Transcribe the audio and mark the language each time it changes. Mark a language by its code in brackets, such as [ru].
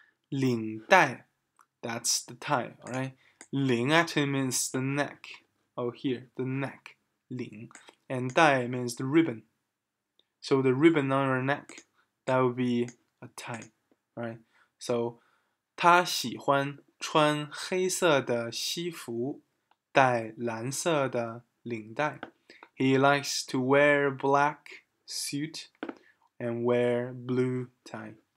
[en] 领带, that's the tie, right? 领 actually means the neck. Oh, here, the neck, 领.And 戴 means the ribbon. So the ribbon on your neck, that would be a tie, right? [zh] So, 他喜欢 穿黑色的西服,戴蓝色的领带. [en] He likes to wear black suit and wear blue tie.